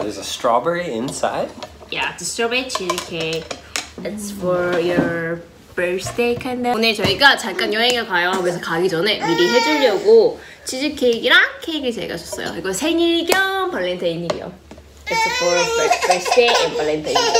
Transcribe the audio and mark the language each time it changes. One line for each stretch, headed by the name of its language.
English: There's a strawberry inside? Yeah, it's a strawberry cheesecake. It's for your birthday kind of.
Korean: 오늘 저희가 잠깐 여행을 가요. 그래서 가기 전에 미리 해주려고 치즈케이크랑 케이크 제가 줬어요. 이거 생일 겸 발렌타인 겸.
English: It's for birthday and Valentine.